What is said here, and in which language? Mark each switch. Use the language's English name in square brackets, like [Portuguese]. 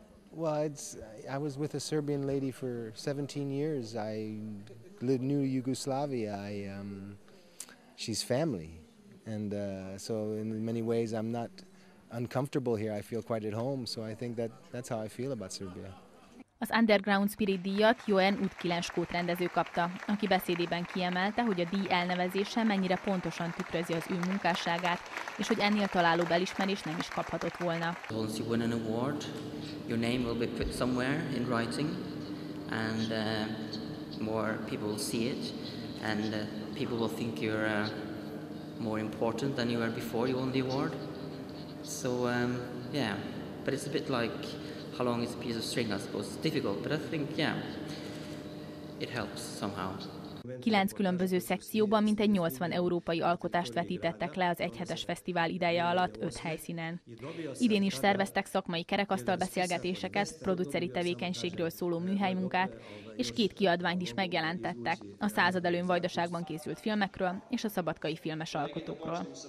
[English] Well, I was with a Serbian lady for 17 years. I knew Yugoslavia. She's family. And so in many ways, I'm not uncomfortable here. I feel quite at home. So I think that's how I feel about Serbia. [Hungarian] Az Underground Spirit díjat Joen Utkilenskót rendező kapta, aki beszédében kiemelte, hogy a díj elnevezése mennyire pontosan tükrözi az ő munkásságát, és hogy ennél találóbb elismerést nem is kaphatott volna. [English] Once you win an award, your name will be put somewhere in writing, and more people see it, and people will think you're more important than you were before you won the award. So, yeah, but it's a bit like how long is a piece of string, I suppose. It's difficult, but I think, yeah, it helps somehow. [Hungarian] 9 különböző szekcióban mintegy 80 európai alkotást vetítettek le az egyhetes fesztivál ideje alatt 5 helyszínen. Idén is szerveztek szakmai kerekasztalbeszélgetéseket, produceri tevékenységről szóló műhelymunkát, és két kiadványt is megjelentettek, a Század előn Vajdaságban készült filmekről és a szabadkai filmes alkotókról.